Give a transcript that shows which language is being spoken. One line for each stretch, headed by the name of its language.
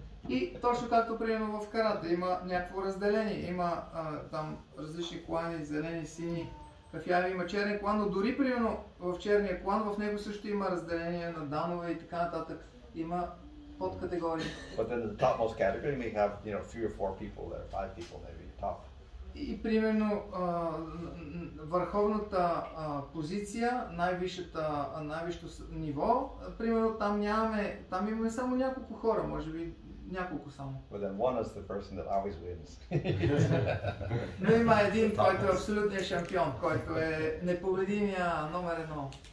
Bulgarian: И точно както примерно в карате има някакво разделение, има там различни клани, зелени, сини, кафяви, има черен клан, но дори примерно в черния клан в него също има разделение на данове и така нататък, има подкатегории.
English: But then the topmost category may have, you know, three or four people there, five people maybe top.
Bulgarian: И примерно върховната позиция, най-висшето ниво, примерно там нямаме, там имаме само няколко хора, може би няколко само.
English: But then one is the person that always wins.
Bulgarian: Но има един, който е абсолютният шампион, който е непобедимия номер едно.